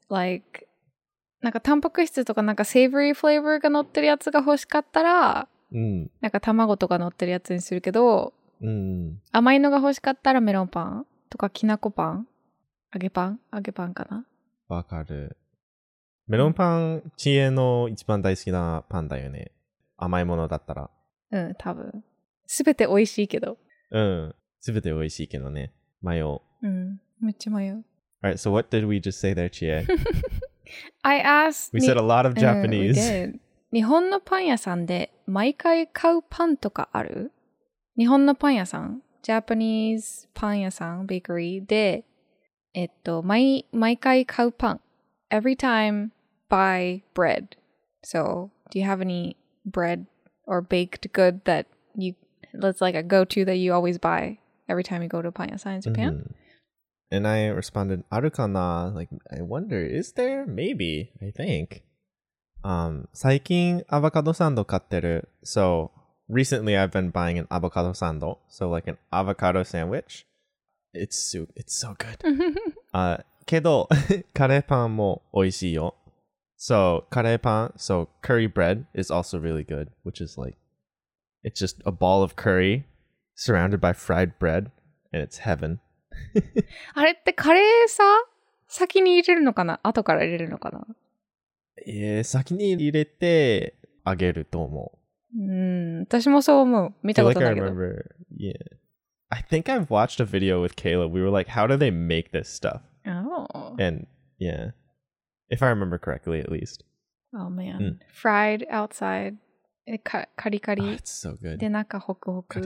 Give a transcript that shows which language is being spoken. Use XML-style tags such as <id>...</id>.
<ja>Like, なんかタンパク質とかなんか savory flavor が乗ってるやつが欲しかったら、なんか卵とか乗ってるやつにするけど、甘いのが欲しかったらメロンパンとかきなこパン、揚げパンかな。わかる。メロンパン、知恵の一番大好きなパンだよね。甘いものだったら。多分。すべて美味しいけど。すべて美味しいけどね。迷う。めっちゃ迷う。</ja> <en>Alright, so what did we just say there, 知恵? I asked... We said a lot of Japanese. We did.</en> <ja>日本のパン屋さんで毎回買うパンとかある? 日本のパン屋さん、Japanese パン屋さん、bakery で、毎回買うパン。</ja> <en>Every time buy bread. So, do you have any bread or baked good that you, that's like a go-to that you always buy every time you go to パン屋さん in Japan?、 And I responded, あるかな? Like, I wonder, is there? Maybe, I think.</en> <ja>最近アボカドサンド買ってる。</ja> <en>So, recently I've been buying an avocado sando. So, like an avocado sandwich. It's so good.</en> <ja>けど、カレーパンも美味しいよ。</ja> <en>So, カレーパン、so curry bread is also really good, which is like, it's just a ball of curry surrounded by fried bread, and it's heaven.</en> <ja>あれってカレーさ、先に入れるのかな? 後から入れるのかな? 先に入れてあげると思う。私もそう思う。見たことないけど。</ja> <en>I remember. Yeah. I think I've watched a video with Caleb. We were like, how do they make this stuff? Oh. And yeah. If I remember correctly, at least. Oh man. Fried outside. カリカリ。 It's so good.</en> <ja>で、なんかホクホク。</ja>